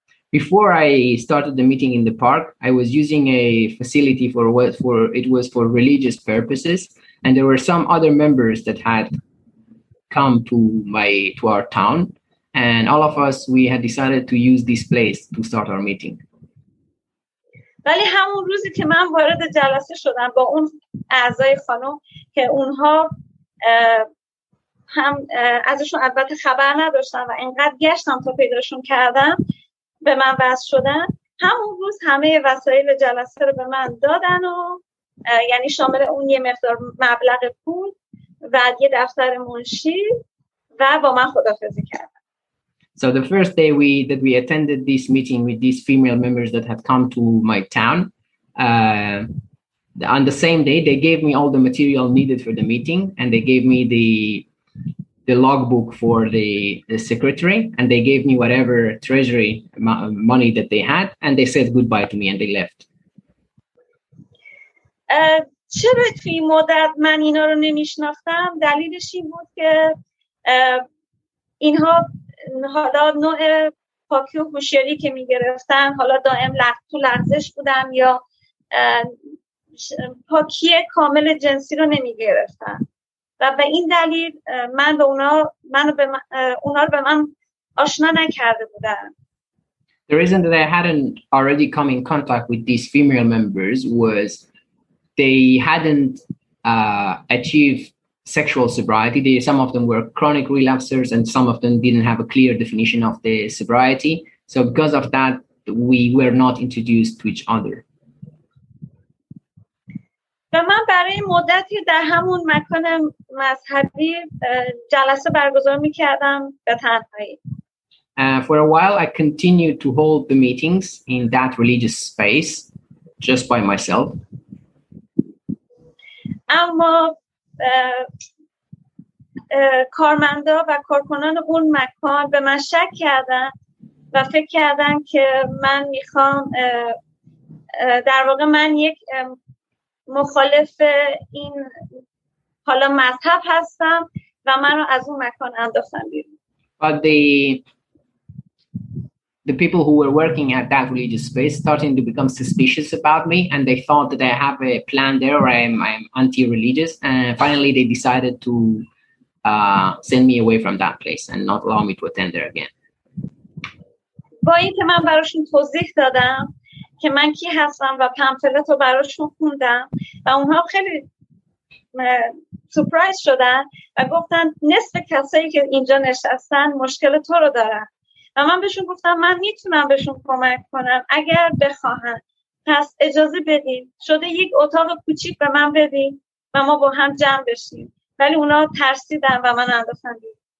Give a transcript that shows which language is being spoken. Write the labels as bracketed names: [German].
[English] Before I started the meeting in the park, I was using a facility for religious purposes, and there were some other members that had come to our town, and all of us we had decided to use this place to start our meeting. [Persian] ولی همون روزی که من وارد جلسه شدم با اون اعضای خانم که اونها هم ازشون البته خبر نداشتن و انقدر گشتم تا پیداشون کردم به من وضع شدن، همون روز همه وسایل جلسه رو به من دادن و یعنی شامل اون یه مقدار مبلغ پول و یه دفتر منشی و با من خدافظی کردن. [English] So the first day we attended this meeting with these female members that had come to my town, on the same day they gave me all the material needed for the meeting and they gave me the logbook for the secretary and they gave me whatever treasury money that they had and they said goodbye to me and they left. [Persian] چرا توی این مدت من اینا رو نمیشناختم؟ دلیلش این بود که اینها حالا نوع پاکی و هوشیاری که میگرفتن حالا دائم تو لغزش بودم یا پاکی کامل جنسی رو نمیگرفتن و به این دلیل اونا رو به من آشنا نکرده بودن. [English] The reason that I hadn't already come in contact with these female members was they hadn't achieved sexual sobriety. Some of them were chronic relapsers and some of them didn't have a clear definition of the sobriety. So because of that, we were not introduced to each other. [Persian] و من برای مدتی در همون مکان مذهبی جلسه برگزار می‌کردم به تنهایی. [English] For a while I continued to hold the meetings in that religious space just by myself. [Persian] اما کارمندا و کارکنان اون مکان به من شک کردن و فکر کردن که من می‌خوام در واقع من یک مخالف این حالا مذهب هستم و منو از اون مکان انداختن بیرون. [English] But the people who were working at that religious space starting to become suspicious about me and they thought that I have a plan there or I'm anti-religious and finally they decided to send me away from that place and not allow me to attend there again. [Persian] با اینکه من براشون توضیح دادم که من کی هستم و پمفلت رو براشون خوندم و اونها خیلی سورپرایز شدن و گفتن نصف کسایی که اینجا نشستن مشکل تو رو دارن و من بهشون گفتم من میتونم بهشون کمک کنم اگر بخواهن، پس اجازه بدین شده یک اتاق کوچیک به من بدین و ما با هم جمع بشیم، ولی اونها ترسیدن و من انداختن بیرون.